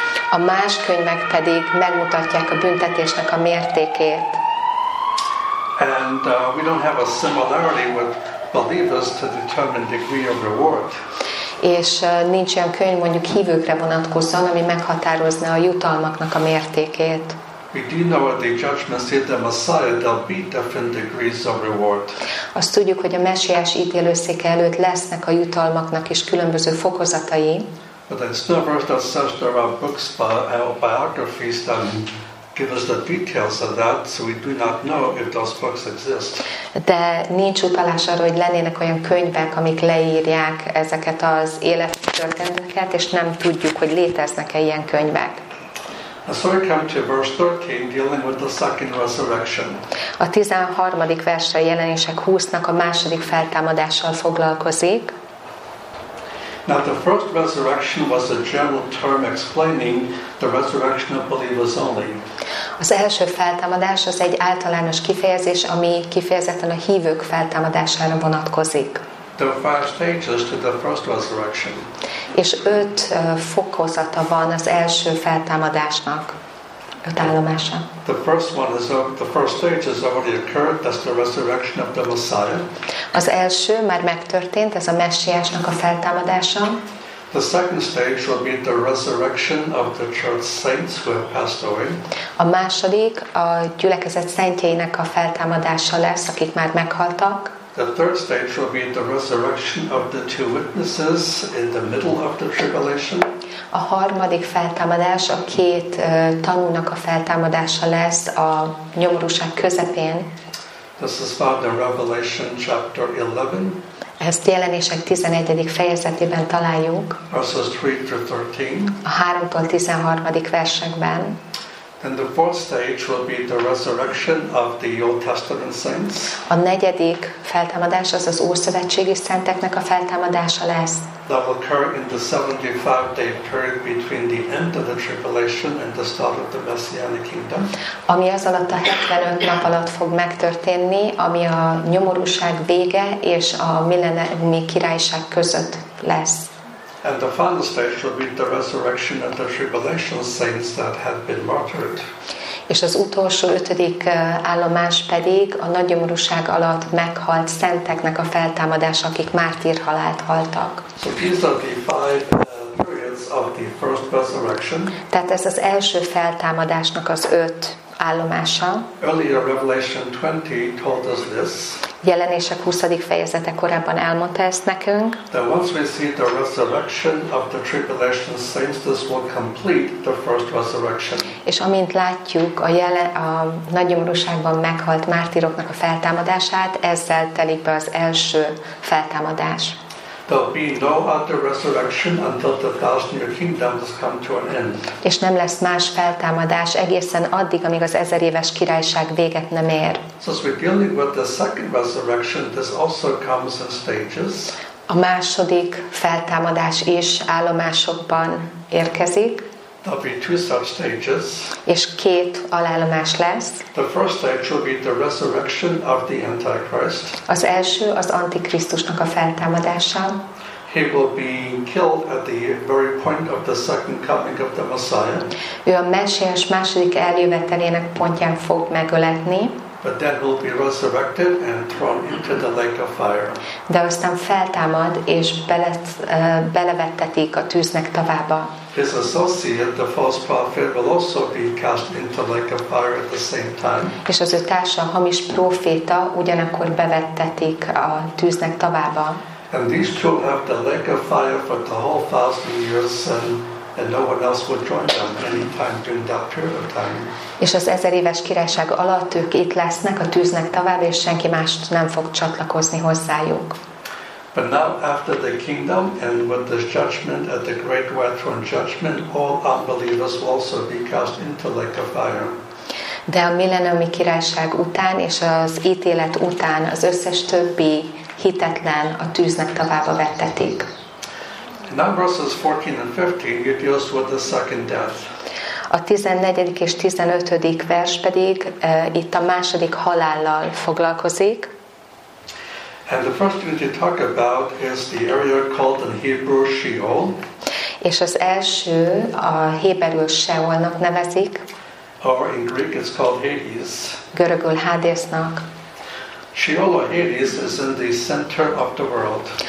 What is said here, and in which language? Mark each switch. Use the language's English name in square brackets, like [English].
[Hungarian] A más könyvek pedig megmutatják a büntetésnek a mértékét. [English] And we don't have a similarity with believers to determine degree of reward. [Hungarian] És nincs olyan könyv, mondjuk hívőkre vonatkozóan, ami meghatározna a jutalmaknak a mértékét. [English] We do know that the judgment seat of the Messiah, there'll be different degrees of reward. [Hungarian] Azt tudjuk, hogy a Mesiás ítélőszéke előtt lesznek a jutalmaknak is különböző fokozatai. [English] But there's no verse that says there are books or biographies that give us the details of that, so we do not know if those books exist. [Hungarian] De nincs utalás arra, hogy lennének olyan könyvek, amik leírják ezeket az élettörténeteket, és nem tudjuk, hogy léteznek-e ilyen könyvek. [English] So we come to verse 13, dealing with the second resurrection. [Hungarian] A 13. versre Jelenések 20-nak a második feltámadással foglalkozik. [English] Now the first resurrection was a general term explaining the resurrection of believers only. [Hungarian] Az első feltámadás az egy általános kifejezés, ami kifejezetten a hívők feltámadására vonatkozik. [English] There are five stages to the first resurrection. [Hungarian] És öt fokozata van az első feltámadásnak, öt állomása. [English] The first one is the first stage has already occurred. That's the resurrection of the Messiah. [Hungarian] Az első már megtörtént, ez a Messiásnak a feltámadása. [English] The second stage will be the resurrection of the church saints who have passed away. [Hungarian] A második a gyülekezet szentjeinek a feltámadása lesz, akik már meghaltak. [English] The third stage will be the resurrection of the two witnesses in the middle of the tribulation. [Hungarian] A harmadik feltámadás a két tanúnak a feltámadása lesz a nyomorúság közepén. [English] This is found in Revelation chapter 11. [Hungarian] Ezt Jelenések 11. fejezetében találjuk. [English] Verses 3-13. [Hungarian] A 3-tól 13. versekben. [English] And the fourth stage will be the resurrection of the Old Testament saints. [Hungarian] A negyedik feltámadás az az ószövetségi szenteknek a feltámadása lesz. [English] That will occur in the 75-day period between the end of the tribulation and the start of the Messianic kingdom. [Hungarian] Ami az alatt a 75 nap alatt fog megtörténni, ami a nyomorúság vége és a milleniumi királyság között lesz. [English] And the final stage will be the resurrection of the tribulation saints that had been martyred. [Hungarian] És az utolsó ötödik állomás pedig a nagy nyomorúság alatt meghalt szenteknek a feltámadása, akik mártír halált haltak. [English] So these are the five periods of the first resurrection. [Hungarian] Tehát ez az első feltámadásnak az öt állomása. [English] Earlier Revelation 20 told us this. [Hungarian] Jelenések 20. fejezete korábban elmondta ezt nekünk. [English] That once we see the resurrection of the tribulation saints, this will complete the first resurrection. [Hungarian] És amint látjuk a nagy nyomorúságban meghalt mártíroknak a feltámadását, ezzel telik be az első feltámadás. [English] There'll be no other resurrection until the thousand-year kingdom has come to an end. [Hungarian] És nem lesz más feltámadás egészen addig, amíg az ezer éves királyság véget nem ér. [English] So as we're dealing with the second resurrection, this also comes in stages. [Hungarian] A második feltámadás is állomásokban érkezik. [English] There'll be two such stages. [Hungarian] És két alállomás lesz. [English] The first stage will be the resurrection of the Antichrist. [Hungarian] Az első az Antikrisztusnak a feltámadása. [English] He will be killed at the very point of the second coming of the Messiah. [Hungarian] Ő a Messiás második eljövetelének pontján fog megöletni. [English] But then will be resurrected and thrown into the lake of fire. [Hungarian] De aztán feltámad és belevettetik a tűznek tavába. [English] His associate, the false prophet, will also be cast into the lake of fire at the same time. [Hungarian] És az ő társa, a hamis proféta, ugyanakkor bevettetik a tűznek tavába. [English] And these two have the lake of fire for the whole thousand years, and and no one else would join them any time during that period of time. [Hungarian] És az 1000 éves királyság alatt ők itt lesznek a tűznek tovább, és senki más nem fog csatlakozni hozzájuk. [English] But now after the kingdom and with this judgment at the great white throne judgment, all unbelievers will also be cast into the lake of fire. [Hungarian] De a milleniumi királyság után és az ítélet után az összes többi hitetlen a tűznek tavába vettetik. [English] Now verses 14 and 15 it deals with the second death. [Hungarian] A 14. és 15. vers pedig itt a második halállal foglalkozik. [English] And the first thing to talk about is the area called in Hebrew Sheol. [Hungarian] És az első a héberül Sheolnak nevezik. [English] Or in Greek it's called Hades. [Hungarian] Görögül Hadesnak. [English] Sheol or Hades is in the center of the world.